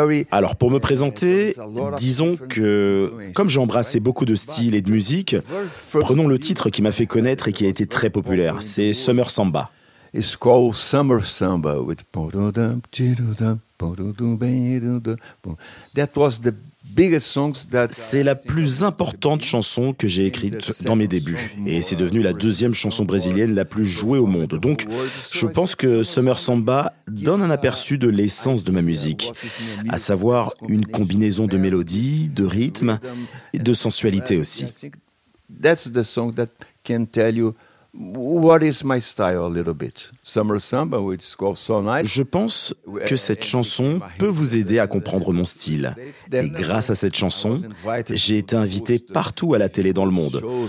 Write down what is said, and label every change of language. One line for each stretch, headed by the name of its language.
French: Alors, pour me présenter, disons que, comme j'ai embrassé beaucoup de styles et de musique, prenons le titre qui m'a fait connaître et qui a été très populaire, c'est Summer Samba.
English: It's called Summer Samba. That was the biggest song that...
French: C'est la plus importante chanson que j'ai écrite dans mes débuts. Et c'est devenu la deuxième chanson brésilienne la plus jouée au monde. Donc, je pense que Summer Samba donne un aperçu de l'essence de ma musique, à savoir une combinaison de mélodies, de rythmes et de sensualité aussi.
English: That's the song that can tell you what is my style a little bit. Summer Samba, which is called So Nice.
French: Je pense que cette chanson peut vous aider à comprendre mon style. Et grâce à cette chanson, j'ai été invité partout à la télé dans le monde.